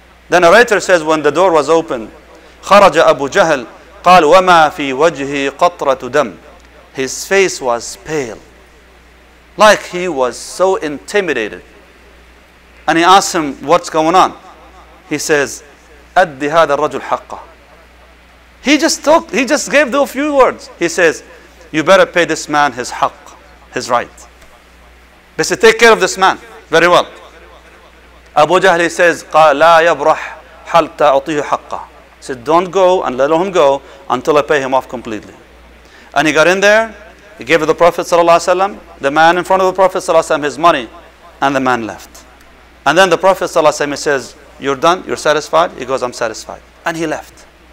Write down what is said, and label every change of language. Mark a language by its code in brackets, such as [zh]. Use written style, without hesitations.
[en] The narrator says, when the door was open, [ar] kharaja Abu Jahl, qal wama fi wajhi qatratu dam. [en] His face was pale. Like he was so intimidated. And he asks him, what's going on? [ar] He says, أدي هذا الرجل حقه. [en] He just gave those few words. He says, you better pay this man his haqq, his right. They said, take care of this man. Very well. [ar] Abu Jahl, he says, لا يبرح حتى أعطيه حقه. [en] He said, don't go and let him go until I pay him off completely. And he got in there, he gave the Prophet ﷺ, the man in front of the Prophet ﷺ, his money, and the man left. And then the Prophet ﷺ, he says, you're done, you're satisfied? He goes, I'm satisfied. And he left.